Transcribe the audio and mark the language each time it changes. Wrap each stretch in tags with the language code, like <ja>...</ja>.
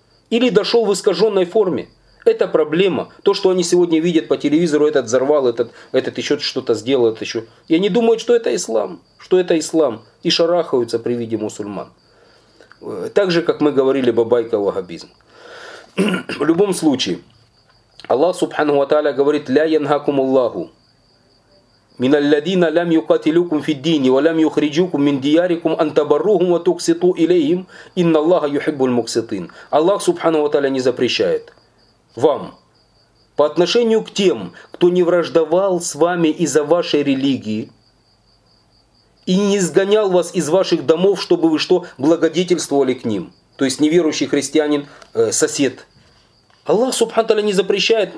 <ru>Или дошел в искаженной форме. Это проблема. То, что они сегодня видят по телевизору, этот взорвал, этот еще что-то сделал. И они думают, что это ислам. И шарахаются при виде мусульман. Так же, как мы говорили, бабайка вахабизм. В любом случае, Аллах Субхану ва Тааля говорит,</ru> <ar>«Ля янхакум Аллаху». من الذين لم يقاتلوكم في الدين ولم يخرجوكم من دياركم أن تبروهم وتقسطوا إليهم إن الله يحب المقسطين.</ar> <ru>Аллах Субханаху ва Тааля не запрещает вам по отношению к тем, кто не враждовал с вами из-за вашей религии и не изгонял вас из ваших домов, чтобы вы что, благодетельствовали к ним. То есть неверующий христианин, сосед. Аллах Субхану ва Тааля не запрещает.</ru>